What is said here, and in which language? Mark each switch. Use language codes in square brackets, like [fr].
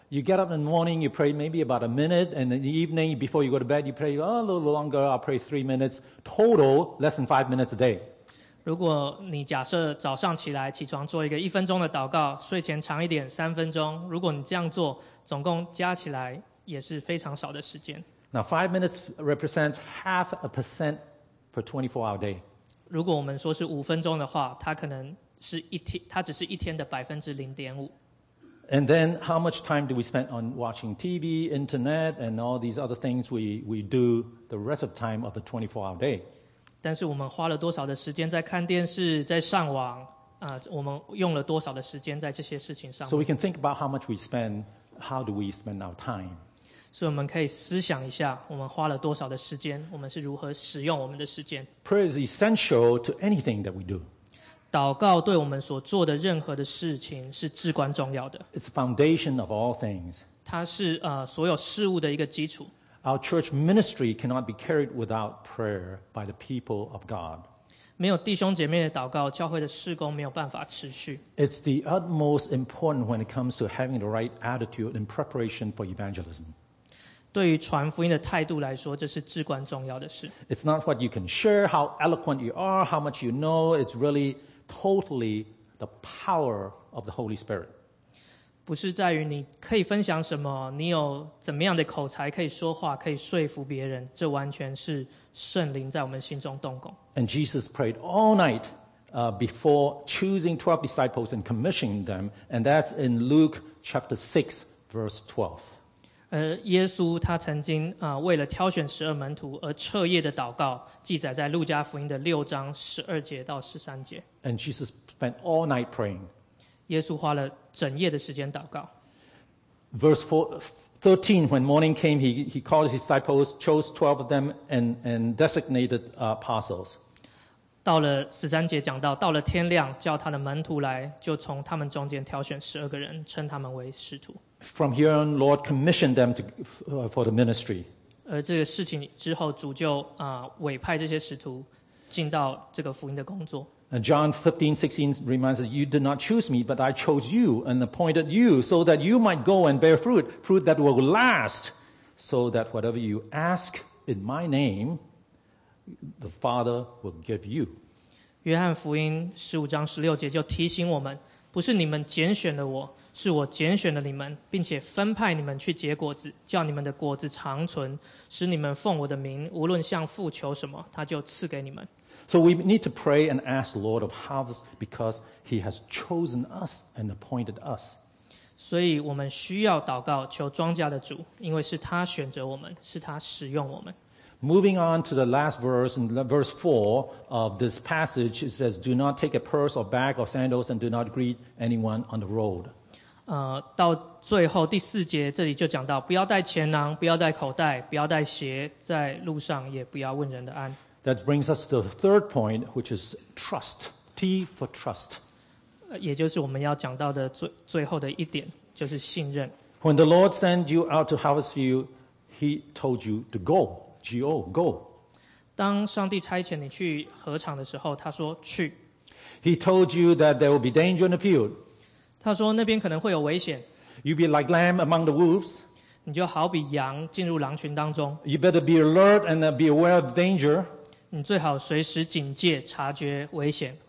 [en] You get up in the morning, you pray maybe about a minute, and in the evening, before you go to bed, you pray a little longer, I'll pray 3 minutes. Total, less than 5 minutes a day. [zh] 如果你假设早上起来，起床做一个一分钟的祷告，睡前长一点，三分钟，如果你这样做，总共加起来也是非常少的时间。 [en] Now, 5 minutes represents 0.5% per 24-hour day. [zh] 如果我们说是五分钟的话，它可能是一天，它只是一天的0.5%。 [en] And then, how much time do we spend on watching TV, internet, and all these other things we do the rest of the time of the 24-hour day? [zh] 但是我们花了多少的时间在看电视，在上网？我们用了多少的时间在这些事情上？ [en] So we can think about how much we spend. How do we spend our time? [zh] 所以我们可以思想一下，我们花了多少的时间？我们是如何使用我们的时间 [en] ？Prayer is essential to anything that we do. [zh] 祷告对我们所做的任何的事情是至关重要的。 [en] It's the foundation of all things. [zh] 它是所有事物的一个基础。 [en] Our church ministry cannot be carried without prayer by the people of God. [zh] 没有弟兄姐妹的祷告，教会的事工没有办法持续。 [en] It's the utmost important when it comes to having the right attitude in preparation for evangelism. [zh] 对于传福音的态度来说，这是至关重要的事。 [en] It's not what you can share, how eloquent you are, how much you know. It's really... Totally, the power of the Holy Spirit. [zh] 不是在于你可以分享什么，你有怎么样的口才可以说话，可以说服别人。这完全是圣灵在我们心中动工。 [en] And Jesus prayed all night, before choosing 12 disciples and commissioning them, and that's in Luke chapter 6, verse 12. [zh] 耶稣他曾经为了挑选十二门徒而彻夜的祷告，记载在路加福音的6:12-13. [en] And Jesus spent all night praying. [zh] 耶稣花了整夜的时间祷告。 [en] Verse 13, when morning came, he called his disciples, chose 12 of them, and designated apostles. [zh] 到了十三节讲到，到了天亮，叫他的门徒来，就从他们中间挑选十二个人，称他们为使徒。 [en] From here on, Lord commissioned them to, for the ministry. [zh] 而这个事情之后，主就委派这些使徒进到这个福音的工作。 [en] And John 15:16 reminds us, you did not choose me, but I chose you and appointed you so that you might go and bear fruit, fruit that will last, so that whatever you ask in my name, the Father will give you. [zh] 约翰福音15:16就提醒我们，不是你们拣选了我，是我拣选了你们，并且分派你们去结果子，叫你们的果子长存，使你们奉我的名，无论向父求什么，他就赐给你们。 [en] So we need to pray and ask the Lord of harvest because he has chosen us and appointed us. [zh] 所以我们需要祷告求庄稼的主，因为是他选择我们，是他使用我们。 [en] Moving on to the last verse, in verse 4 of this passage, it says, Do not take a purse or bag of sandals and do not greet anyone on the road. [zh] 到最后第四节这里就讲到不要带钱囊，不要带口袋，不要带鞋，在路上也不要问人的安。 [en] That brings us to the third point, which is trust. T for trust. [zh] 也就是我们要讲到的 最后的一点，就是信任。 [en] When the Lord sent you out to harvest field, he told you to go. Go. [zh] 当上帝差遣你去禾场的时候，他说去。 [en] He told you that there will be danger in the field. [zh] 他说那边可能会有危险。 [en] You be like lamb among the wolves. [zh] 你就好比羊进入狼群当中。 [en] You better be alert and be aware of danger. [zh] 你最好随时警戒，察觉危险。